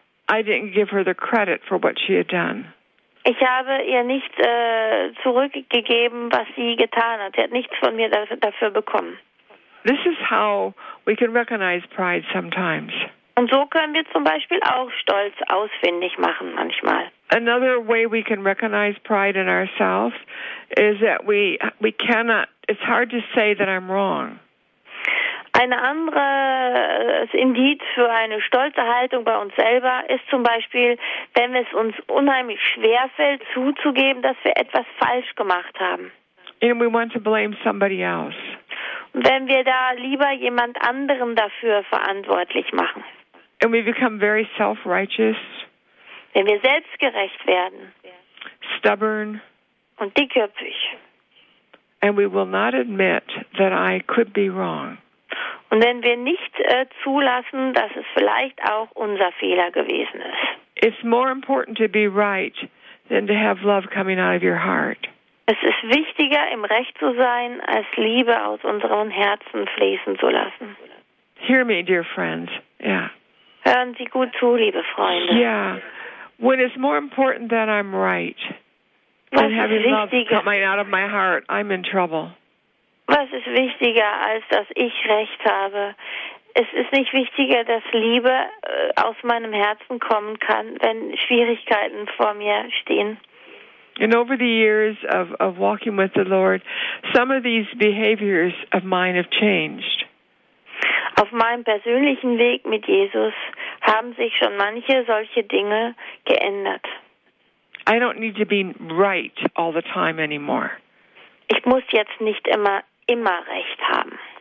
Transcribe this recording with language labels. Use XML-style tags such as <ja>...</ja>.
<en>I didn't give her the credit for what she had done.</en> <de>Ich habe ihr nicht zurückgegeben, was sie getan hat. Sie hat nichts von mir dafür bekommen.</de> <en>This is how we can recognize pride sometimes.</en> <de>Und so können wir zum Beispiel auch Stolz ausfindig machen manchmal.</de> <en>Another way we can recognize pride in ourselves is that we cannot, it's hard to say that I'm wrong.</en> <de>Eine andere Indiz für eine stolze Haltung bei uns selber ist zum Beispiel, wenn es uns unheimlich schwerfällt zuzugeben, dass wir etwas falsch gemacht haben.</de> <en>And we want to blame somebody else.</en> <de>Wenn wir da lieber jemand anderen dafür verantwortlich machen.</de> <en>And we become very self-righteous.</en> <de>Wenn wir selbstgerecht werden.</de> <en>Stubborn.</en> <de>Und dickköpfig.</de> <en>And we will not admit that I could be wrong.</en> <de>Und wenn wir nicht zulassen, dass es vielleicht auch unser Fehler gewesen ist.</de> <en>It's more important to be right than to have love coming out of your heart.</en> <de>Es ist wichtiger, im Recht zu sein, als Liebe aus unseren Herzen fließen zu lassen.</de> <en>Hear me, dear friends. Yeah.</en> <de>Hören Sie gut zu, liebe Freunde.</de> <en>Yeah. When it's more important that I'm right than having love coming out of my heart, I'm in trouble.</en> <de>Was ist wichtiger, als dass ich Recht habe? Es ist nicht wichtiger, dass Liebe aus meinem Herzen kommen kann, wenn Schwierigkeiten vor mir stehen.</de> <en>And over the years of walking with the Lord, some of these behaviors of mine have changed.</en> <de>Auf meinem persönlichen Weg mit Jesus haben sich schon manche solche Dinge geändert.</de> <en>I don't need to be right all the time anymore.</en> <de>Ich muss jetzt nicht immer recht haben.</de>